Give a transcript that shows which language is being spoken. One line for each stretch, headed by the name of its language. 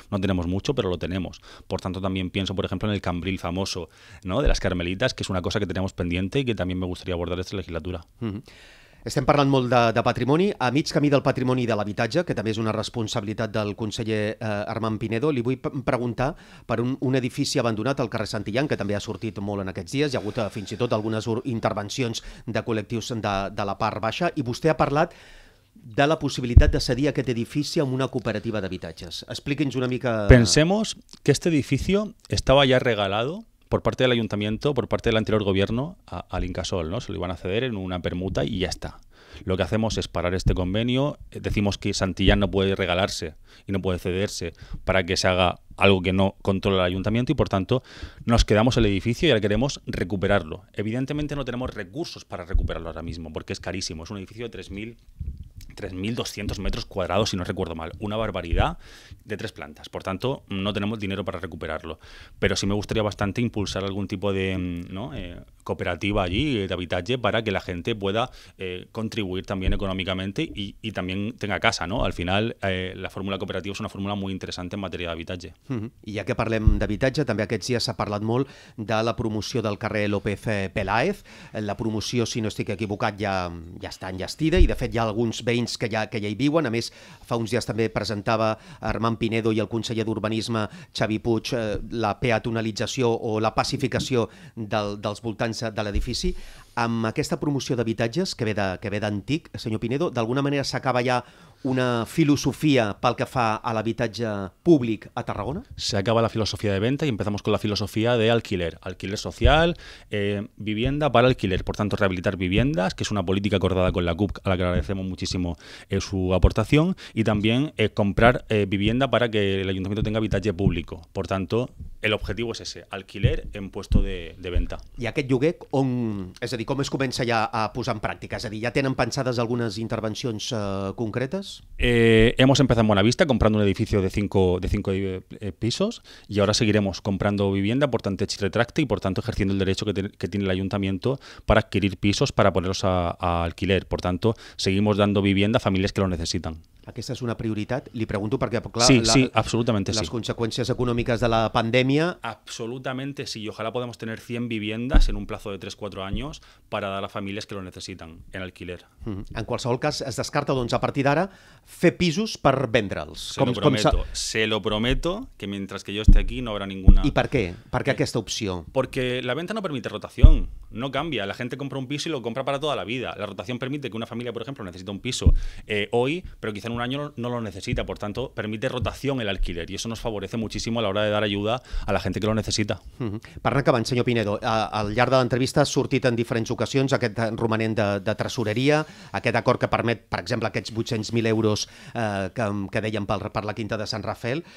Spanish: No tenemos mucho, pero lo tenemos. Por tanto, también pienso, por ejemplo, en el cambril famoso, ¿no?, de las Carmelitas, que es una cosa que tenemos pendiente y que también me gustaría abordar esta legislatura.
Catalan: Uh-huh. Estem parlant molt de patrimoni. A mig camí del patrimoni de l'habitatge, que també és una responsabilitat del conseller Armand Pinedo, li vull preguntar per un edifici abandonat al carrer Santillán, que també ha sortit molt en aquests dies. Hi ha hagut fins i tot algunes intervencions de col·lectius de la part baixa. I vostè ha parlat de la possibilitat de cedir aquest edifici a una cooperativa d'habitatges. Explique'ns una mica...
Spanish: Pensemos que este edificio estaba ya regalado por parte del ayuntamiento, por parte del anterior gobierno, al Incasol, ¿no? Se lo iban a ceder en una permuta y ya está. Lo que hacemos es parar este convenio, decimos que Santillán no puede regalarse y no puede cederse para que se haga algo que no controla el ayuntamiento y, por tanto, nos quedamos el edificio y ahora queremos recuperarlo. Evidentemente no tenemos recursos para recuperarlo ahora mismo porque es carísimo. Es un edificio de 3.200 metros cuadrados, si no recuerdo mal. Una barbaridad, de tres plantas. Por tanto, no tenemos dinero para recuperarlo. Pero sí me gustaría bastante impulsar algún tipo de cooperativa allí, de habitaje, para que la gente pueda contribuir también económicamente y también tenga casa, ¿no? Al final, la fórmula cooperativa es una fórmula muy interesante en materia de habitaje. Uh-huh.
Catalan: I ja que parlem d'habitatge, també aquests dies s'ha parlat molt de la promoció del carrer López Peláez. La promoció, si no estic equivocat, ja està enllestida i, de fet, hi ha alguns veïns que ja hi viuen. A més, fa uns dies també presentava Armand Pinedo i el conseller d'Urbanisme, Xavi Puig, la peatonalització o la pacificació dels voltants de l'edifici. Amb aquesta promoció d'habitatges, que ve d'antic, senyor Pinedo, d'alguna manera s'acaba ja una filosofia pel que fa a l'habitatge públic a Tarragona? S'acaba la filosofia de venda i
Spanish: empezamos con la filosofia d'alquiler. Alquiler social, vivienda para alquiler. Por tanto, rehabilitar viviendas, que es una política acordada con la CUP, a la que agradecemos muchísimo su aportación, y también comprar vivienda para que el ayuntamiento tenga habitatge público. Por tanto, el objetivo es ese, alquiler en puesto de venta.
Catalan: I aquest lloguer, on, és a dir, com es comença ja a posar en pràctica? És a dir, ja tenen pensades algunes intervencions concretes?
Spanish: Hemos empezado en Buenavista comprando un edificio de cinco pisos y ahora seguiremos comprando vivienda por tanto hecho retracte y por tanto ejerciendo el derecho que tiene el ayuntamiento para adquirir pisos para ponerlos a alquiler. Por tanto, seguimos dando vivienda a familias que lo necesitan.
Catalan: Aquesta és una prioritat? Li pregunto perquè, clar, sí, absolutament. Conseqüències econòmiques de la pandèmia... Absolutament sí.
Spanish: Ojalá podamos tener 100 viviendas en un plazo de 3-4 años para dar a familias que lo necesitan en alquiler.
Catalan: Mm-hmm. En qualsevol cas, es descarta, doncs, a partir d'ara, fer pisos per vendre'ls.
Spanish: Se lo prometo que mientras que yo esté aquí no habrá ninguna...
Catalan: I per què? Per què aquesta opció?
Spanish: Porque la venta no permite rotación. No cambia. La gente compra un piso y lo compra para toda la vida. La rotación permite que una familia, por ejemplo, necesite un piso hoy, pero quizá en un año no lo necesita. Por tanto, permite rotación el alquiler y eso nos favorece muchísimo a la hora de dar ayuda a la gente que lo necesita. Mm-hmm.
Catalan: Per anar acabant, senyor Pinedo, al llarg de l'entrevista ha sortit en diferents ocasions aquest romanent de tresoreria, aquest acord que permet, per exemple, aquests 800.000 euros que dèiem per la Quinta de Sant Rafel.